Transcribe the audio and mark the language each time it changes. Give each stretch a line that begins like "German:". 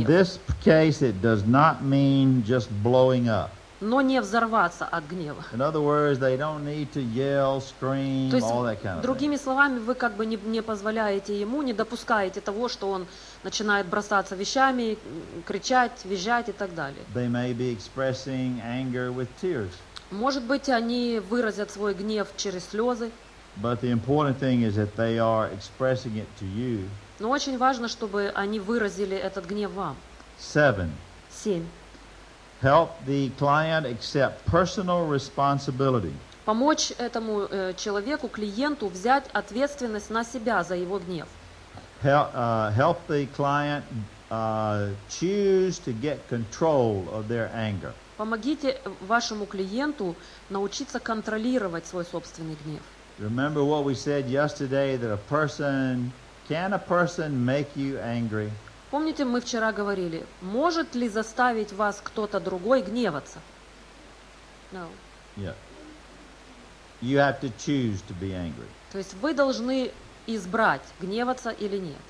English: In this case, it does not mean just blowing up.
Russian: Но не взорваться от гнева.
English: In other words, they don't need to yell, scream,
Russian: то есть,
English: all that kind of thing.
Russian: Другими словами, вы как бы не позволяете ему, не допускаете того, что он начинает бросаться вещами, кричать, визжать и так далее.
English: They may be expressing anger with tears.
Russian: Может быть, они выразят свой гнев через слезы.
English: But the important thing is that they are expressing it to you.
Russian: Но очень важно, чтобы они выразили этот гнев вам.
English: Seven.
Russian: Семь.
English: Help the client accept personal responsibility.
Russian: помочь этому человеку, клиенту взять ответственность на себя за его гнев.
English: Help the client choose to get control of their anger.
Russian: Помогите вашему клиенту научиться контролировать свой собственный гнев.
English: Remember what we said yesterday, that can a person make you angry?
Russian: Помните, мы вчера говорили, может ли заставить вас кто-то другой гневаться?
English: No. Yeah. You have to choose to be angry.
Russian: То есть вы должны избрать, гневаться или нет.